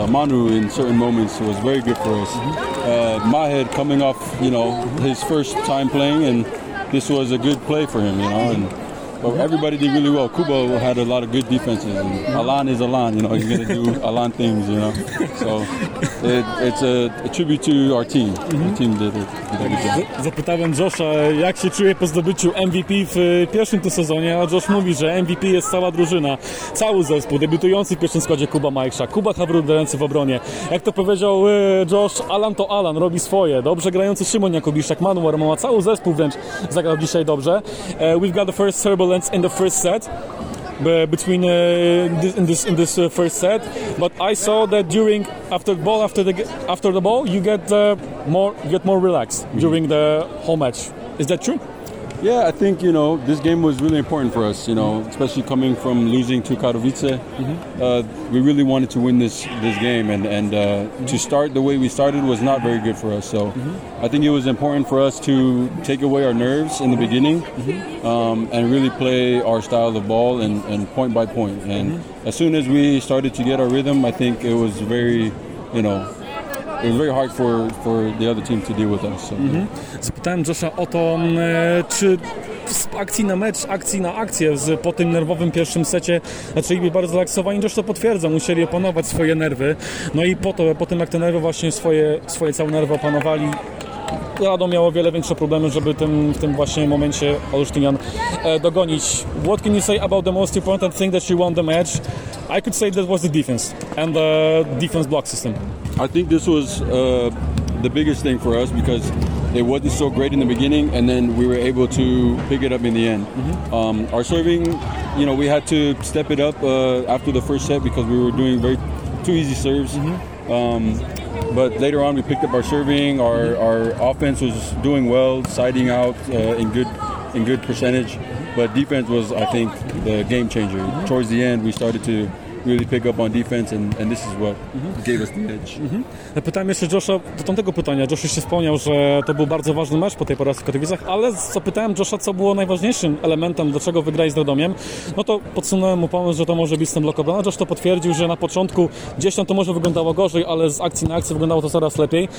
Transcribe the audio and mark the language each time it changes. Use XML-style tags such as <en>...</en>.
<en>Manu in certain moments was very good for us. Mahed coming off, you know, his first time playing, and this was a good play for him, you know. And but everybody did really well. Kubo had a lot of good defenses. And Alan is Alan, you know. He's gonna do Alan things, you know. So it's a tribute to our team. Mm-hmm. Our team did a good job.</en> <pl>Zapytałem Josha, jak się czuje po zdobyciu MVP w pierwszym tu sezonie, a Josh mówi, że MVP jest cała drużyna, cały zespół, debiutujący w pierwszym składzie Kuba Majksza, Kuba Havrud grający w obronie. Jak to powiedział Josh, Alan to Alan, robi swoje. Dobrze grający Szymon Jakubiszak, Manuel Romoła, cały zespół wręcz zagrał dzisiaj dobrze.</pl> <en>We've got the first serve in the first set, between in this first set, but I saw that during after the ball you get more relaxed during the whole match. Is that true? Yeah, I think, you know, this game was really important for us, you know, especially coming from losing to Katowice. We really wanted to win this game, and to start the way we started was not very good for us. So I think it was important for us to take away our nerves in the beginning and really play our style of ball and point by point. And as soon as we started to get our rhythm, I think it was very, you know, it was very hard for the other team to deal with us. So.</en> <pl>Zapytałem Josha o to, czy z akcji na mecz, akcji na akcję, po tym nerwowym pierwszym secie zaczęliby bardzo relaksowani. Josh to potwierdza, musieli opanować swoje nerwy. No i po tym jak te nerwy właśnie swoje całe nerwy opanowali, Radom miało wiele większe problemy, żeby w tym właśnie momencie Olsztynian dogonić.</pl> <en>What can you say about the most important thing that you won the match? I could say that was the defense and the defense block system. I think this was the biggest thing for us because it wasn't so great in the beginning, and then we were able to pick it up in the end. Our serving, you know, we had to step it up after the first set because we were doing too easy serves. But later on, we picked up our serving. Our offense was doing well, siding out in good percentage. But defense was, I think, the game changer. Towards the end, we started to really pick up on defense, and this is what gave us the edge.</en> <pl>Pytam jeszcze Josha, do tamtego pytania. Josh jeszcze wspomniał, że to był bardzo ważny mecz po tej porażce w Katowicach, ale zapytałem Josha, co było najważniejszym elementem, dlaczego wygrali z Radomiem. No to podsunąłem mu pomysł, że to może być ten blok obrony. Josh to potwierdził, że na początku gdzieś tam to może wyglądało gorzej, ale z akcji na akcję wyglądało to coraz lepiej.</pl>